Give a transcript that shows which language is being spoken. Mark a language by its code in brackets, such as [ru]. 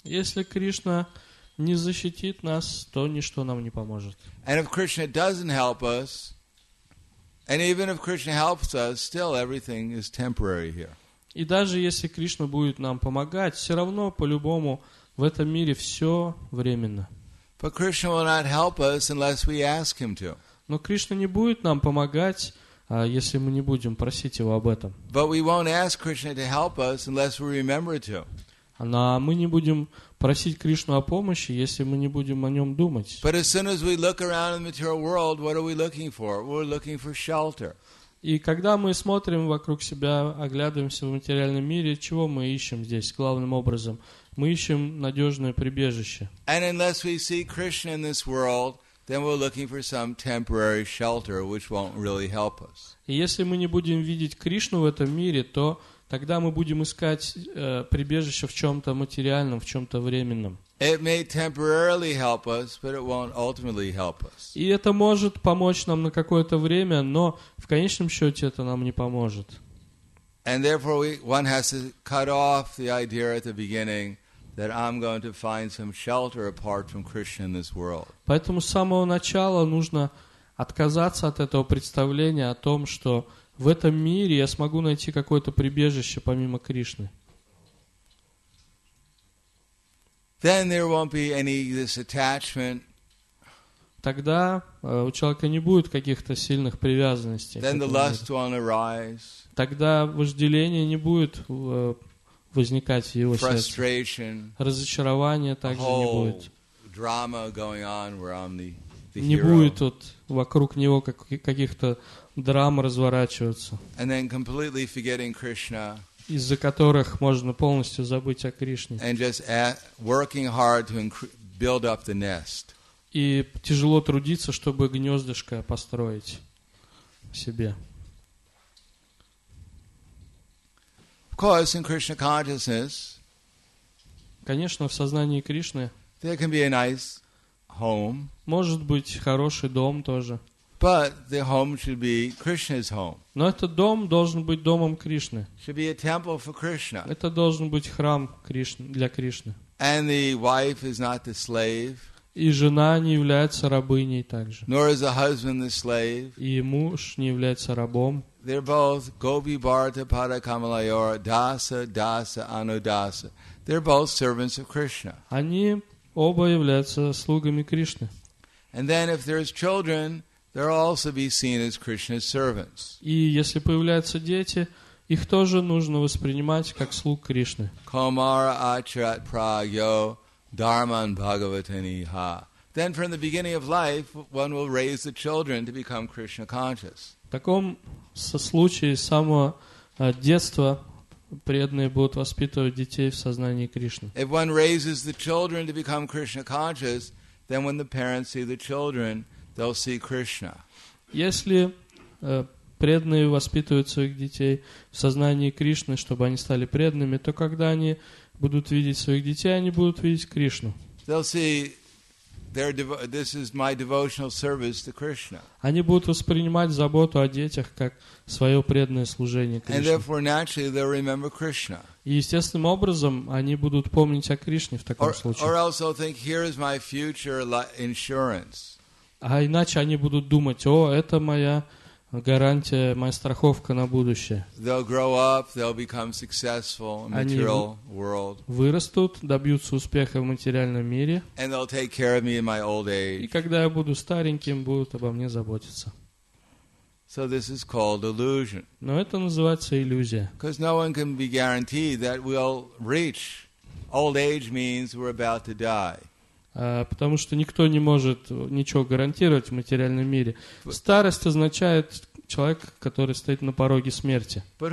[ru] Если Кришна не защитит нас, то ничто нам не поможет. [en] And if Krishna doesn't help us, and even if Krishna helps us, still everything is temporary here. [ru] И даже если Кришна будет нам помогать, все равно по-любому в этом мире все временно. [en] But Krishna will not help us unless we ask him to. [ru] Но Кришна не будет нам помогать, если мы не будем просить его об этом. [en] But we won't ask Krishna to help us unless we remember to. [ru] Но мы не будем просить Кришну о помощи, если мы не будем о нем думать. [en] But as soon as we look around in the material world, what are we looking for? We're looking for shelter. [ru] И когда мы смотрим вокруг себя, оглядываемся в материальном мире, чего мы ищем здесь главным образом? Мы ищем надежное прибежище. [en] And unless we see Krishna in this world, then we're looking for some temporary shelter, which won't really help us. [ru] Если мы не будем видеть Кришну в этом мире, то тогда мы будем искать прибежище в чем-то материальном, в чем-то временном. [en] It may temporarily help us, but it won't ultimately help us. [ru] И это может помочь нам на какое-то время, но в конечном счете это нам не поможет. [en] And therefore, one has to cut off the idea at the beginning that I'm going to find some shelter apart from Krishna in this world. [ru] Поэтому с самого начала нужно отказаться от этого представления о том, что в этом мире я смогу найти какое-то прибежище помимо Кришны. [en] Then there won't be any this attachment. [ru] Тогда у человека не будет каких-то сильных привязанностей. [en] Then the lust won't arise. [ru] Тогда вожделение не будет возникать в его сердце. [en] Frustration. [ru] Разочарование также не будет. [en] Drama going on where I'm the hero. [ru] Не будет вот вокруг него каких-то драм разворачиваться. [en] And then completely forgetting Krishna. [ru] Из-за которых можно полностью забыть о Кришне. [en] And just working hard to build up the nest. [ru] И тяжело трудиться, чтобы гнездышко построить себе. [en] Of course, in Krishna consciousness, [ru] конечно, в сознании Кришны [en] there can be a nice home, [ru] может быть хороший дом тоже. [en] But the home should be Krishna's home. [ru] Но этот дом должен быть домом Кришны. [en] Should be a temple for Krishna. [ru] Это должен быть храм Кришны, для Кришны. [en] And the wife is not the slave. [ru] И жена не является рабыней также. [en] Nor is the husband the slave. [ru] И муж не является рабом. [en] They're both [sa] Gopi Bharata Pada Kamalayora Dasa Dasa Anudasa. [en] They're both servants of Krishna. [ru] Они оба являются слугами Кришны. [en] And then if there's children, they'll also be seen as Krishna's servants. [ru] И если появляются дети, их тоже нужно воспринимать как слуг Кришны. [sa] Komara Acharat Pragyo Dharman Bhagavataniha. [en] Then from the beginning of life, one will raise the children to become Krishna conscious. [ru] В таком случае с самого детства преданные будут воспитывать детей в сознании Кришны. [en] If one raises the children to become Krishna conscious, then when the parents see the children, they'll see Krishna. [ru] Если преданные воспитывают своих детей в сознании Кришны, чтобы они стали преданными, то когда они будут видеть своих детей, они будут видеть Кришну. [en] They'll see their this is my devotional service to Krishna. [ru] Они будут воспринимать заботу о детях как свое преданное служение Кришне. [en] And therefore, naturally, they'll remember Krishna. [ru] И естественным образом они будут помнить о Кришне в таком случае. [en] Or also think, here is my future insurance. [ru] А иначе они будут думать, о, это моя гарантия, моя страховка на будущее. [en] They'll grow up, they'll become successful in material world. [ru] Они вырастут, добьются успеха в материальном мире. [en] And they'll take care of me in my old age. [ru] И когда я буду стареньким, будут обо мне заботиться. [en] So this is called illusion. [ru] Но это называется иллюзия. [en] Because no one can be guaranteed that we'll reach. Old age means we're about to die. [ru] Потому что никто не может ничего гарантировать в материальном мире. Старость означает человек, который стоит на пороге смерти.